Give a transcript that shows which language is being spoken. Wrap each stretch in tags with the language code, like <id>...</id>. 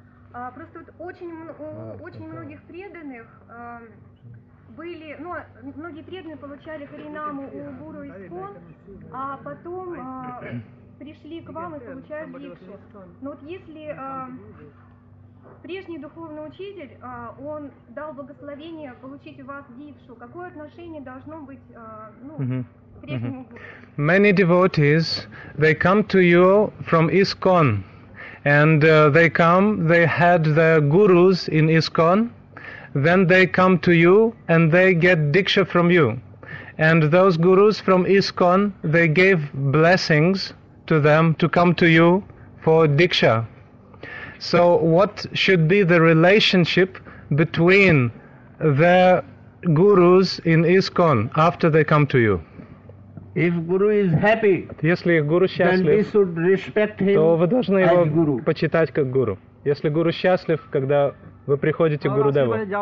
<ru>Просто вот очень многих преданных были, ну, многие преданные получали харинаму у гуру ИСККОН, а потом пришли к вам и получают дикшу. Но вот если прежний духовный учитель, он дал благословение получить у вас дикшу. Какое отношение должно быть, прежнему гуру?</ru> <en>Many devotees, they come to you from ISKCON, and they had their gurus in ISKCON, then they come to you and they get diksha from you. And those gurus from ISKCON, they gave blessings to them to come to you for diksha. So what should be the relationship between the gurus in ISKCON after they come to you? If guru is happy,</en> <ru>если гуру счастлив,</ru> <en>then we should respect him,</en> <ru>то вы должны его почитать как гуру. Если гуру счастлив, когда вы приходите к Гурудеву.</ru>